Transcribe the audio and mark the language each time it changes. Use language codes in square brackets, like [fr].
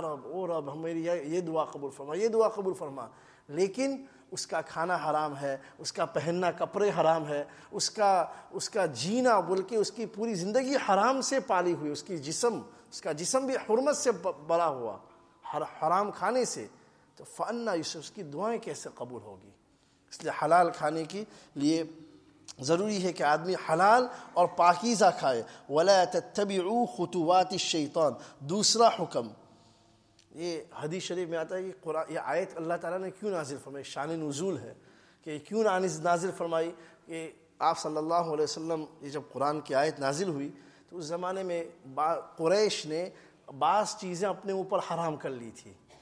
[ur] او رب ہماری یہ دعا قبول فرما, یہ دعا قبول فرما, لیکن اس کا کھانا حرام ہے, اس کا پہننا کپڑے حرام ہے, اس کا جینا بلکہ اس کی پوری زندگی حرام سے پالی ہوئی, اس کا جسم بھی حرمت سے بڑا ہوا حرام کھانے سے, تو فانا یوسف اس کی دعائیں کیسے قبول ہوگی. اس لیے حلال کھانے کے لیے ضروری ہے کہ آدمی حلال اور پاکیزہ کھائے. [ar] ولا تتبعوا خطوات الشیطان, [ur] دوسرا حکم. یہ حدیث شریف میں آتا ہے کہ قرآن, یہ آیت اللہ تعالیٰ نے کیوں نازل فرمائی, شان نزول ہے کہ کیوں نازل فرمائی, کہ آپ صلی اللہ علیہ وسلم, یہ جب قرآن کی آیت نازل ہوئی تو اس زمانے میں قریش نے بعض چیزیں اپنے اوپر حرام کر لی تھی.